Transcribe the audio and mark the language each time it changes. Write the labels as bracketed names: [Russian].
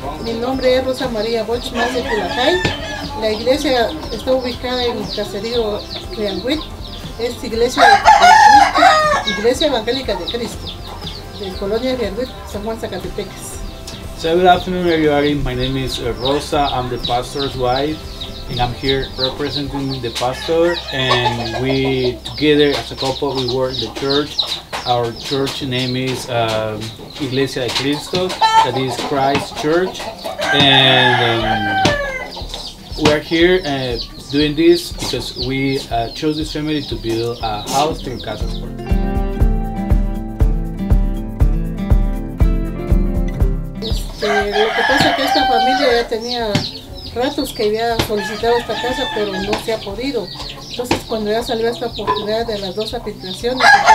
[Spanish] Mi nombre es Rosa María Bochman de Chicajay. La iglesia está ubicada en el caserío Reanguit. Es iglesia de Cristo, iglesia evangélica de Cristo, de Colonia Reanguit, San Juan Zacatepeques. [English] So good afternoon, everybody. My name is Rosa. I'm the pastor's wife, and I'm here representing the pastor. And we together as a couple, we work in the church. Our church name is Iglesia de Cristo, that is Christ Church, and we're here doing this because we chose this family to build a house in Casas. [Spanish] Lo que pasa es que esta familia ya tenía ratos que había solicitado esta casa, pero no se ha podido. Entonces, cuando ya salió esta oportunidad de las dos habitaciones,